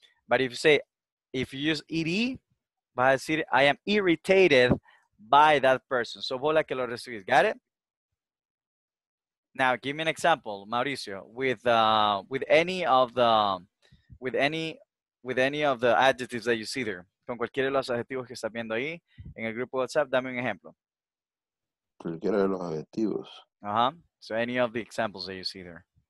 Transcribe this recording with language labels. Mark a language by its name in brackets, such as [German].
[English] But if you say, if you use ed, [Spanish] vas a decir, [English] I am irritated by that person. So, [Spanish] vos la que lo recibís. [English] Got it? Now, give me an example, Mauricio, with any of the adjectives that you see there. [Spanish] Con cualquiera de los adjetivos que estás viendo ahí en el grupo WhatsApp, dame un ejemplo. Cualquiera de los adjetivos. Uh-huh. [English] So, any of the examples that you see there.